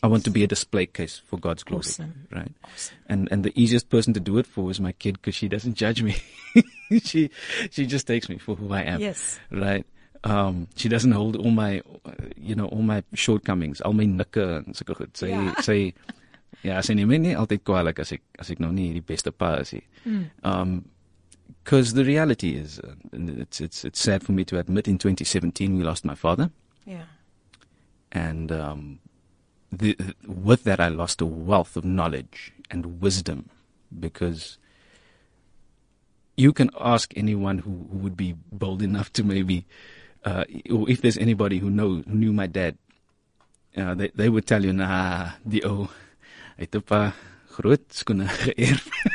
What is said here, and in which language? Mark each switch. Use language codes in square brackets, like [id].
[en] I want to be a display case for God's glory. Awesome. Right? Awesome. And the easiest person to do it for is my kid, because she doesn't judge me. she just takes me for who I am. Yes. Right? She doesn't hold all my, you know, all my shortcomings. All my nikke and so good. Say. [af] Ja, sy neem nie altyd kwalik as ek nou nie die beste pa is. [en] Because the reality is, it's sad for me to admit, in 2017 we lost my father. Yeah. And with that I lost a wealth of knowledge and wisdom, because you can ask anyone who would be bold enough to maybe, or if there's anybody who knew my dad, they would tell you, nah, the O... [af] Hy het 'n paar groot skoene geërf.